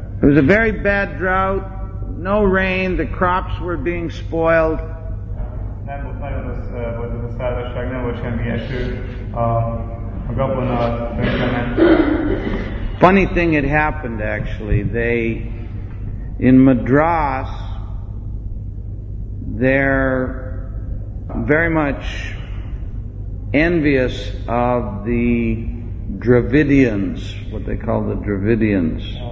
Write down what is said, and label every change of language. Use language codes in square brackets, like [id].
[en] It was a very bad drought, no rain, the crops were being spoiled. [hu] Nem volt nagyon rossz volt ez a szárazság, nem volt semmi eső, a gabona tönkrement. [en] Funny thing had happened actually. They, in Madras, they're very much envious of the Dravidians, what they call the Dravidians.